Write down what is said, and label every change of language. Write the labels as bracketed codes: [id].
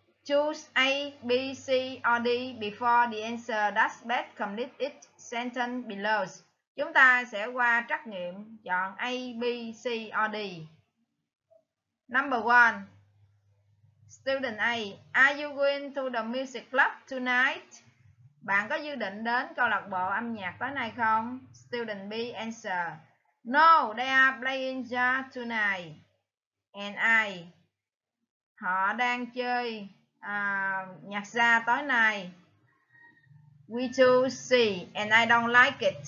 [en] Choose A, B, C, or D before the answer that's best complete it sentence below. [vi] Chúng ta sẽ qua trắc nghiệm chọn A, B, C, or D. [en] Number 1. Student A, are you going to the music club tonight? [vi] Bạn có dự định đến câu lạc bộ âm nhạc tối nay không? [en] Student B answer. No, they are playing jazz tonight. And I. [vi] Họ đang chơi nhạc gia tối nay. [en] We choose C and I don't like it.